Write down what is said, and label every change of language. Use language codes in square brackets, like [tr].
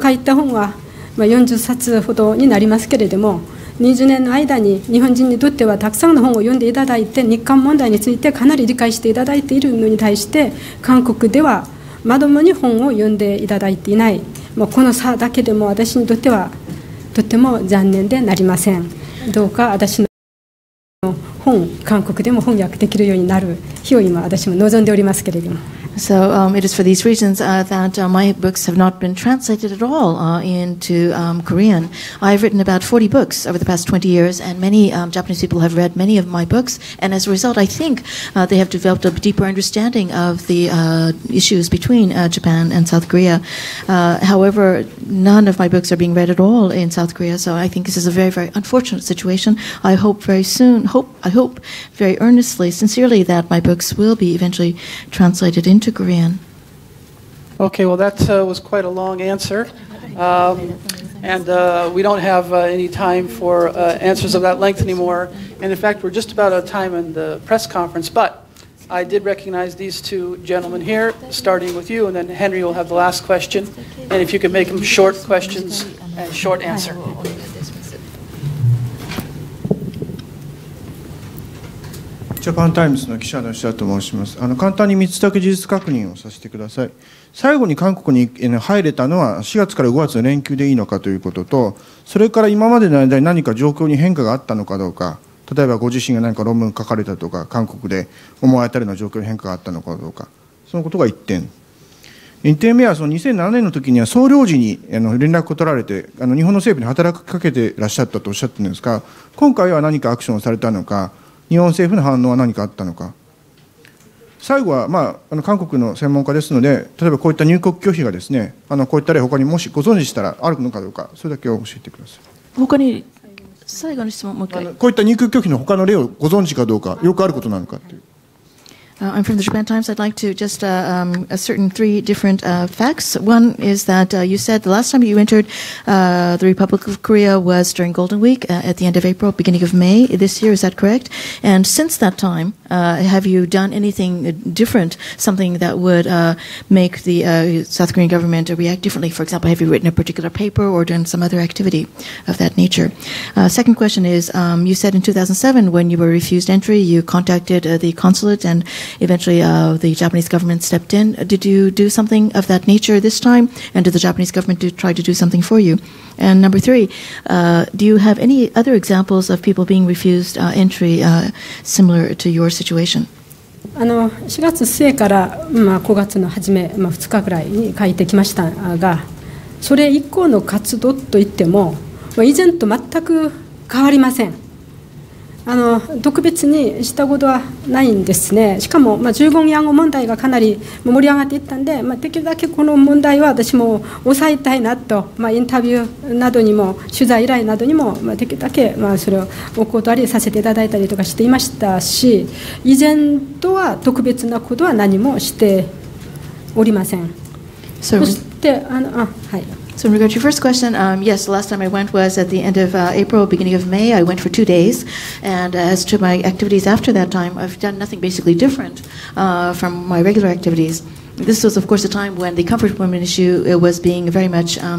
[ja] まあ、40冊ほどになりますけれども20年の間に日本人にとってはたくさんの本を読んでいただいて日韓問題についてかなり理解していただいているのに対して韓国ではまともに本を読んでいただいていない、まあ、この差だけでも私にとってはとても残念でなりません。どうか私の本韓国でも翻訳できるようになる日を今私も望んでおりますけれども。 [en] So it is for these reasons that my books have not been translated at all into Korean. I've written about 40 books over the past 20 years, and many Japanese people have read many of my books. And as a result, I think they have developed a deeper understanding of the issues between Japan and South Korea. However, none of my books are being read at all in South Korea. So I think this is a very, very unfortunate situation. I hope very soon, I hope very earnestly, sincerely, that my books will be eventually translated into Korean. Okay, well, that was quite a long answer. We don't have any time for answers of that length anymore. And in fact, we're just about out of time in the press conference. But I did recognize these two gentlemen here, starting with you, and then Henry will have the last question. And if you could make them short questions and short answer. [ja] ジャパンタイムズの記者の吉田と申します。簡単に3つだけ事実確認をさせてください。最後に韓国に入れたのは4月から5月の連休でいいのかということと、それから今までの間に何か状況に変化があったのかどうか、例えばご自身が何か論文書かれたとか韓国で思い当たるような状況に変化があったのかどうか、そのことが1点。 2点目はその2007年の時には総領事に連絡を取られて日本の政府に働きかけてらっしゃったとおっしゃってるんですが、今回は何かアクションをされたのか、日本政府の反応は何かあったのか。最後は、韓国の専門家ですので、例えばこういった入国拒否がですね、こういった例他にもしご存知したらあるのかどうか、それだけを教えてください。他に最後の質問もう一回、こういった入国拒否の他の例をご存知かどうか、よくあることなのかという。 [en] I'm from the Japan Times. I'd like to just ascertain three different facts. One is that you said the last time you entered the Republic of Korea was during Golden Week at the end of April, beginning of May this year. Is that correct? And since that time, have you done anything different, something that would make the South Korean government react differently? For example, have you written a particular paper or done some other activity of that nature? Second question is, you said in 2007 when you were refused entry, you contacted the consulate and eventually the Japanese government stepped in. Did you do something of that nature this time? And did the Japanese government try to do something for you? And number three, do you have any other examples of people being refused entry similar to your situation? [ja] 4月末から、5月の初め、2日ぐらいに書いてきましたが、それ以降の活動といっても、以前と全く変わりません。特別にしたことはないんですね。しかも、従軍慰安婦問題がかなり盛り上がっていったんで、できるだけこの問題は私も抑えたいなと、インタビューなどにも取材依頼などにも、できるだけ、それをお断りさせていただいたりとかしていましたし、以前とは特別なことは何もしておりません。そしてはい。 [en] So in regard to your first question, yes, the last time I went was at the end of April, beginning of May. I went for 2 days. And as to my activities after that time, I've done nothing basically different from my regular activities. This was, of course, a time when the comfort women issue was being very much